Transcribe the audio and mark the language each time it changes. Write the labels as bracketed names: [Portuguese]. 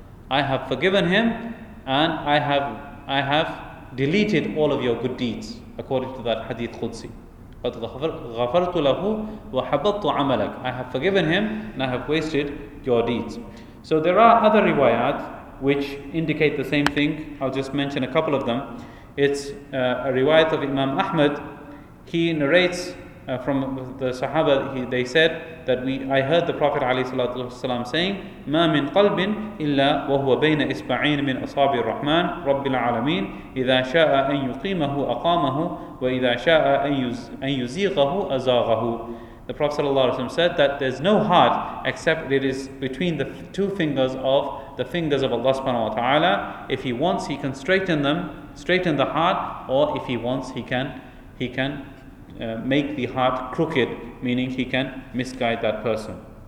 [English] I have forgiven him and I have deleted all of your good deeds, according to that hadith Qudsi. [Arabic] قَدْ غَفَرْتُ لَهُ وَحَبَطْتُ عَمَلَكَ. [English] I have forgiven him and I have wasted your deeds. So there are other riwayat which indicate the same thing. I'll just mention a couple of them. It's a riwayat of Imam Ahmad. He narrates from the Sahaba, they said that I heard the Prophet ﷺ saying, [Arabic] مَا مِنْ قَلْبٍ إِلَّا وَهُوَ بَيْنَ إِسْبَعِينَ مِنْ أَصَابِ الرَّحْمَنِ رَبِّ الْعَالَمِينَ إِذَا شَاءَ أَنْ يُقِيمَهُ أَقَامَهُ وَإِذَا شَاءَ أَنْ يُزِيغَهُ أَزَاغَهُ. [English] The Prophet ﷺ said that there's no heart except it is between the two fingers of the fingers of Allah subhanahu wa ta'ala. If He wants, He can straighten the heart, or if He wants, He can he can make the heart crooked, meaning he can misguide that person.